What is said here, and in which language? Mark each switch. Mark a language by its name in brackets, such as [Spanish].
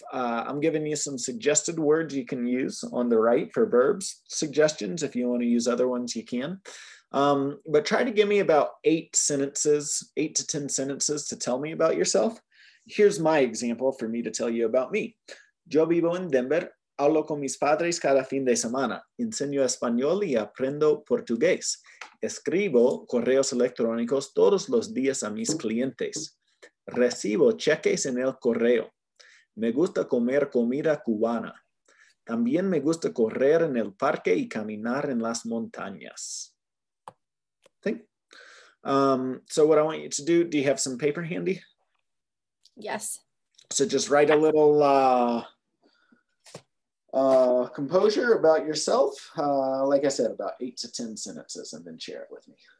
[English] I'm giving you some suggested words you can use on the right for verbs. Suggestions, if you want to use other ones, you can. But try to give me about 8 to 10 sentences to tell me about yourself. Here's my example for me to tell you about me. [Spanish] Yo vivo en Denver. Hablo con mis padres cada fin de semana. Enseño español y aprendo portugués. Escribo correos electrónicos todos los días a mis clientes. Recibo cheques en el correo. Me gusta comer comida cubana. También me gusta correr en el parque y caminar en las montañas. [English] Think. So what I want you to do, do you have some paper handy? Yes. So just write a little composure about yourself, like I said, about 8 to 10 sentences, and then share it with me.